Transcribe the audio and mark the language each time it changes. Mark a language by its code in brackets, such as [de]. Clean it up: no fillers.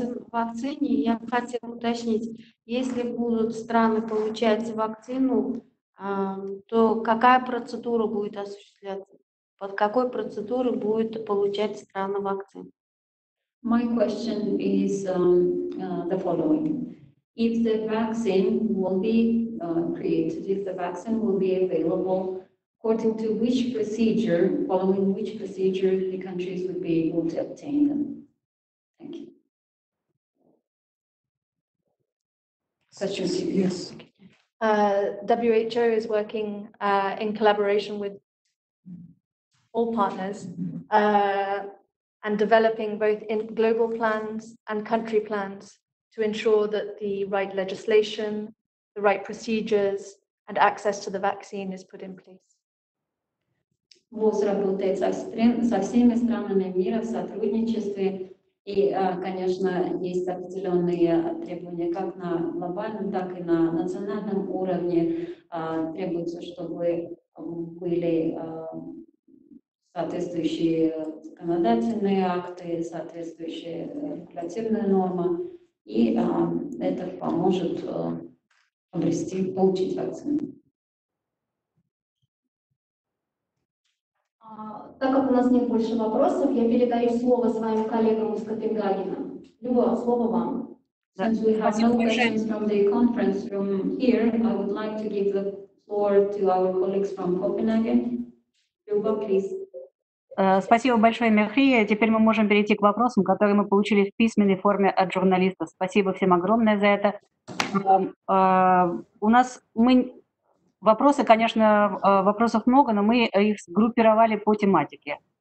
[ru] Вакцине, я хотела уточнить, если будут страны получать вакцину, то какая процедура будет осуществляться? Под какой процедурой будет получать страны вакцину? [en] My question is the following. If the vaccine will be created, if the vaccine will be available, according to which procedure, following which procedure, the countries would be able to obtain them? Thank you. Questions? Yes. WHO is working in collaboration with all partners and developing both in global plans and country plans to ensure that the right legislation, the right procedures, and access to the vaccine is put in place. [ru] ВОЗ работает со всеми странами мира в сотрудничестве. И, конечно, есть определенные требования как на глобальном, так и на национальном уровне. Требуется, чтобы были соответствующие законодательные акты, соответствующие регулятивные нормы. И это поможет обрести, получить вакцину. Так как у нас нет больше вопросов, я передаю слово своим коллегам из Копенгагена. Люба, слово вам. [en] Since we have no questions from the conference room here, I would like to give the floor to our colleagues from Copenhagen. Люба, please. [ru] Спасибо большое, Мехрия. Теперь мы можем перейти к вопросам, которые мы получили в письменной форме от журналистов. Спасибо всем огромное за это. У нас мы... Вопросы, конечно, вопросов много, но мы их сгруппировали по тематике.